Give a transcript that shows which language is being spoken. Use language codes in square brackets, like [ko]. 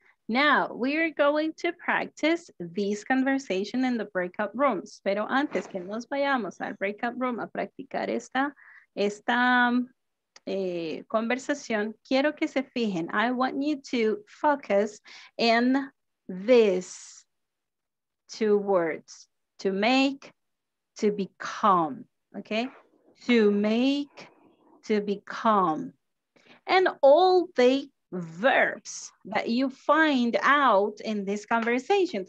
[en] Now we are going to practice this conversation in the breakout rooms. [es] Pero antes que nos vayamos al breakout room a practicar esta conversación, quiero que se fijen. [en] I want you to focus in these two words, to make, to become, okay? To make, to become. And all the verbs that you find out in this conversation.